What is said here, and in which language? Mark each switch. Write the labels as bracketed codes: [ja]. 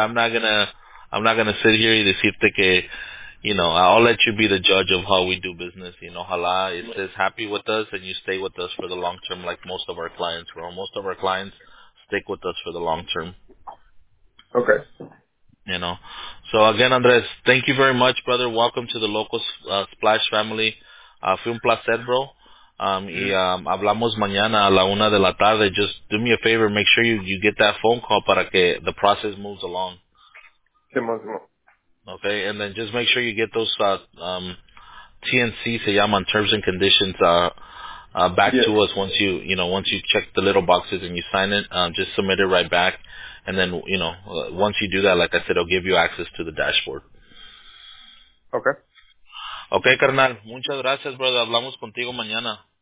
[en] I'm not gonna sit here and [es] decirte que, [en] you know, I'll let you be the judge of how we do business. You know, hala, it says happy with us and you stay with us for the long term, like most of our clients. Well, most of our clients stick with us for the long term. Okay. You know, so again, Andres, thank you very much, brother. Welcome to the local Splash family. [es] Fue un placer, bro. Hablamos mañana a la una de la tarde. [en] Just do me a favor, make sure you get that phone call [es] para que [en] the process moves along. Okay, and then just make sure you get those TNC, [es] se llaman [en] terms and conditions, back to us once you check the little boxes and you sign it, just submit it right back, and then, you know, once you do that, like I said, it'll give you access to the dashboard. Okay. [es] Okay, carnal, muchas gracias, brother. Hablamos contigo mañana.